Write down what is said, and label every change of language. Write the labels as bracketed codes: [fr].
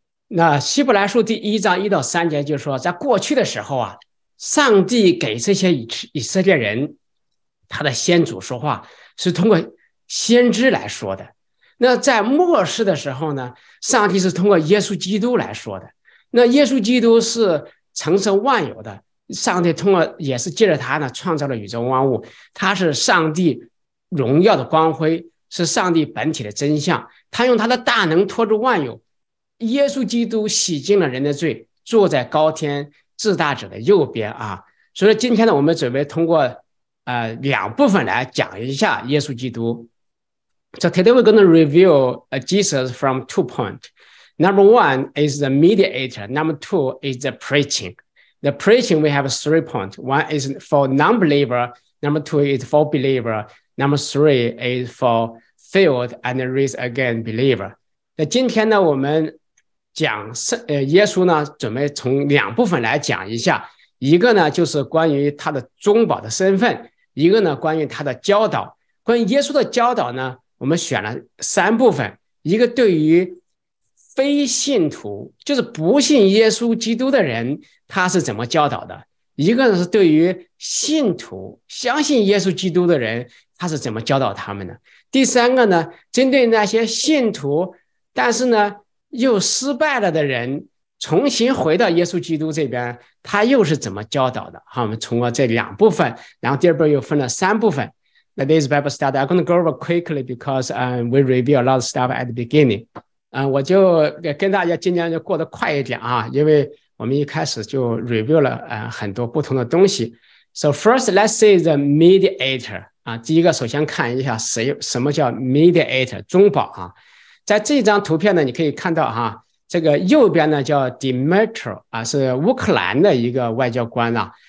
[zh] 那希伯来书第一章一到三节就说，在过去的时候啊，上帝给这些以色列人他的先祖说话是通过先知来说的，那在末世的时候呢，上帝是通过耶稣基督来说的，那耶稣基督是承受万有的上帝，通过也是借着他呢创造了宇宙万物，他是上帝荣耀的光辉，是上帝本体的真相，他用他的大能托住万有，耶稣基督洗净了人的罪，坐在高天至大者的右边啊，所以今天呢，我们准备通过两部分来讲一下耶稣基督。 [en] So today we're going to review Jesus from two points. Number one is the mediator. Number two is the preaching. The preaching we have three points. One is for non-believer. Number two is for believer. Number three is for failed and raised again believer. [zh] 那今天呢，我们讲耶稣呢，准备从两部分来讲一下，一个呢就是关于他的中保的身份，一个呢关于他的教导。关于耶稣的教导呢，我们选了三部分，一个对于非信徒，就是不信耶稣基督的人，他是怎么教导的；一个呢是对于信徒，相信耶稣基督的人，他是怎么教导他们的；第三个呢，针对那些信徒，但是呢又失败了的人重新回到耶稣基督这边，他又是怎么教导的。好，我们通过这两部分，然后第二部又分了三部分。 [en] Now, this Bible study I'm going to go over quickly because we review a lot of stuff at the beginning. [zh] 我就跟大家今天就过得快一点啊，因为我们一开始就 review 了很多不同的东西。 [en] So first let's see the mediator. [zh] 第一个首先看一下谁，什么叫 mediator 中保啊。在这张图片呢，你可以看到哈，这个右边呢叫 Dimitro 啊，是乌克兰的一个外交官啊。